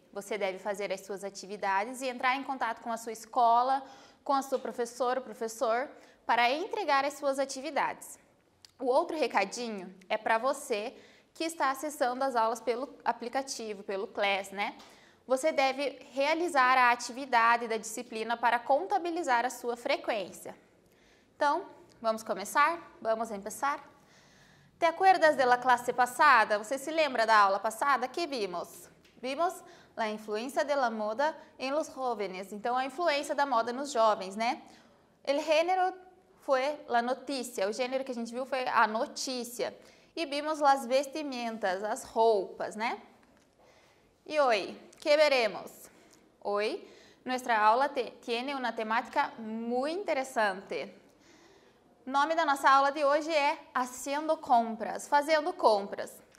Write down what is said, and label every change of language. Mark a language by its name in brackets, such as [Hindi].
[Portuguese] Você deve fazer as suas atividades e entrar em contato com a sua escola, com a sua professora ou professor, para entregar as suas atividades. O outro recadinho é para você que está acessando as aulas pelo aplicativo, pelo Class, né? Você deve realizar a atividade da disciplina para contabilizar a sua frequência. Então, vamos começar? Vamos começar? [Spanish] Te acuerdas de la clase passada? [Portuguese] Você se lembra da aula passada? [Spanish] Que vimos? Vimos la influencia de la moda en los jóvenes. [Portuguese] Então, a influência da moda nos jovens, né? [Spanish] El género fue la noticia. [Portuguese] O gênero que a gente viu foi a notícia. E vimos [Spanish] las vestimentas, [Portuguese] as roupas, né? E hoje, que veremos? Hoje, nossa aula tiene uma temática muito interessante. O nome da nossa aula de hoje é [Spanish] Haciendo Compras, [Portuguese] fazendo compras.